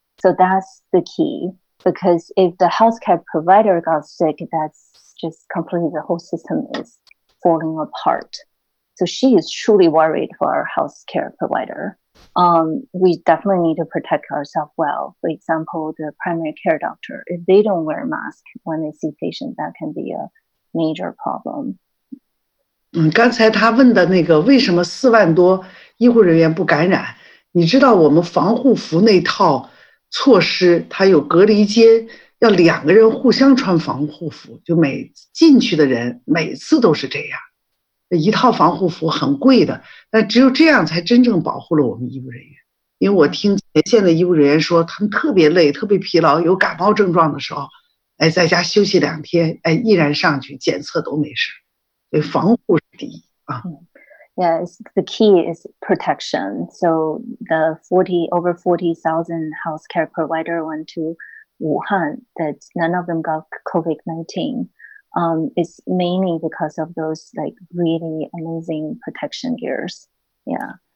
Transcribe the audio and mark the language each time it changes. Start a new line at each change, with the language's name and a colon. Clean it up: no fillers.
English: So that's the key, because if the healthcare provider got sick, that's just completely the whole system is falling apart. So she is truly worried for our healthcare provider. We definitely need to protect ourselves well. For example, the primary care doctor, if they don't wear a mask when they see patients, that can be a major problem.
Chinese: 刚才他问的那个为什么40,000多医护人员不感染，你知道我们防护服那套措施，它有隔离间，要两个人互相穿防护服，就每进去的人每次都是这样。一套防护服很贵的，但只有这样才真正保护了我们医务人员。因为我听前线的医务人员说，他们特别累，特别疲劳，有感冒症状的时候，哎，在家休息两天，哎，依然上去检测都没事，所以防护是第一啊。
English: Yes, the key is protection. So the 40,000 healthcare provider went to Wuhan, that none of them got COVID-19. It's mainly because of those like really amazing protection gears. Yeah.